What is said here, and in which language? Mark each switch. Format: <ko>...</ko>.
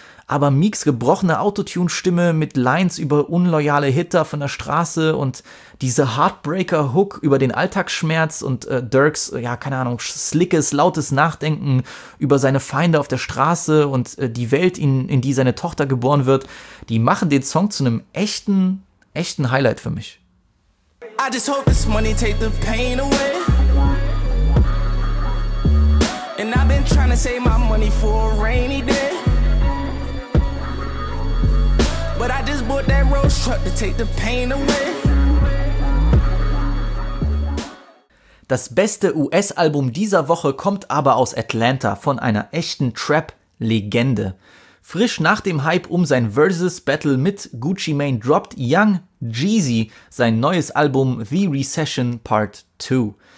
<de>aber Meeks gebrochene Autotune-Stimme mit Lines über unloyale Hitter von der Straße und diese Heartbreaker-Hook über den Alltagsschmerz und Dirks, ja, keine Ahnung, slickes, lautes Nachdenken über seine Feinde auf der Straße und die Welt, in die seine Tochter geboren wird, die machen den Song zu einem echten, echten Highlight für mich.</de> <en>I just hope this money take the pain away. And I've been trying to save my money for a rainy day. But I just bought that Rolls truck to take the pain away.</en> <de>Das beste US-Album dieser Woche kommt aber aus Atlanta, von einer echten Trap-Legende. Frisch nach dem Hype um sein Versus-Battle mit Gucci Mane droppt Young Jeezy sein neues Album The Recession Part 2.</de>